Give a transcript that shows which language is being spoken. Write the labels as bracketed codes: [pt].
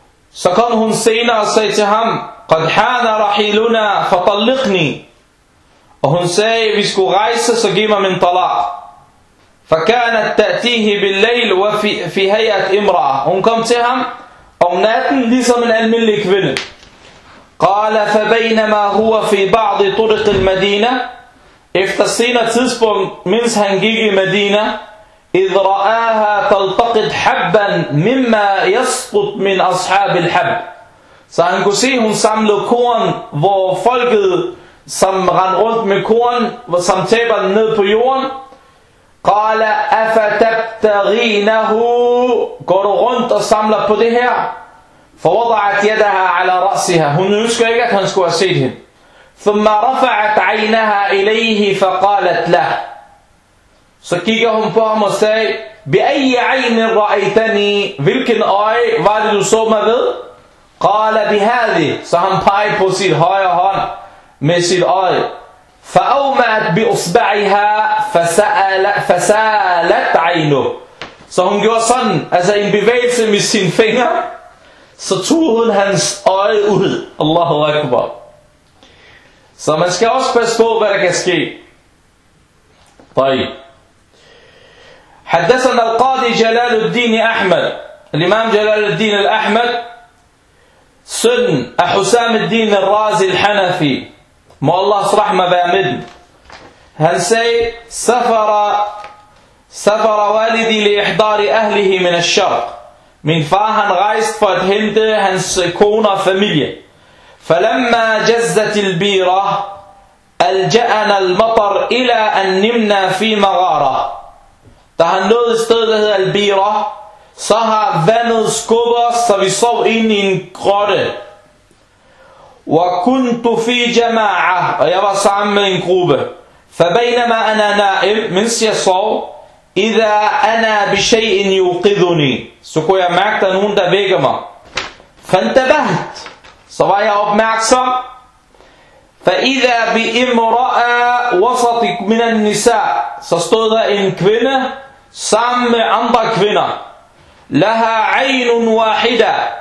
[da] Så kom hun senere og sagde til ham, [ar] qad hana rahiluna fatalliqni. [da] Og hun sagde, vi skulle rejse, så giv mig min talaq. [ar] Fakanat ta'tihi bil layl wa fi hayat imra'a. [da] Hun kom til ham om natten, ligesom en almindelig kvinde. [ar] قال فبينما هو في بعض طرق المدينة [da] efter senere tidspunkt, mens han gik i Medina, [ar] إذ رآها تلتقط حبا مما يسقط من أصحاب الحب. [da] Så han kunne se, hun samlede korn, hvor folket, som rendte rundt med korn, som taber den ned på jorden. [ar] قال أفتبتغينه, [da] går rundt og samler på det her. [ar] فوضعت يدها على رأسها. [da] Hun ønsker ikke, at han skulle have set hende. [ar] ثم رفعت عينها إليه فقالت له. [da] Så kigger hun på ham og sagde, [ar] بأي عين رأيتني, [da] hvilken øje var det, du så mig ved? [ar] قال بهذه. [da] Så han peger på sit højre hånd med sit øje. [ar] فأومأت بأصبعها فسالت عينه. [da] Så hun gjorde sådan, altså en bevægelse med sin finger, så tog hun hans øje ud. Allahu Akbar. Så man skal også passe på, hvad der kan ske. [ar] طيب. حدثنا القاضي جلال الدين أحمد. الإمام جلال الدين الأحمد. سن حسام الدين الرازي الحنفي. ما الله سرحمه بامد. هل سي سفر والدي لإحضار أهله من الشرق. [da] Min far, han rejste for at hente hans kone og familie. [ar] فَلَمَّا جَزَّتِ الْبِيرَةِ أَلْجَأَنَا الْمَطَرِ إِلَىٰ أَنْ نِمْنَا فِي مَغَارَةِ. [da] Da han nåede et sted, der hedder Al-Bira, så har vandet skubbet, så vi sov ind i en grotte. [ar] وَكُنْتُ فِي جَمَاعَةِ. [da] Og jeg var sammen med en gruppe. [ar] فَبَيْنَمَا أَنَا نَائِمْ. [da] Mens jeg sov, [ar] إِذَا أَنَا بِشَيْءٍ يُوقِذُنِي. [da] Så kunne jeg mærke, at der er nogen, der vækker mig. [ar] فانتبهت. [da] Så var jeg opmærksom. [ar] فَإِذَا بِإِمْرَأَ وَسَطِ مِنَ النِّسَاءِ. [da] Så stod der en kvinde sammen med andre kvinder. [ar] لَهَا عَيْنٌ وَاحِدَةٌ.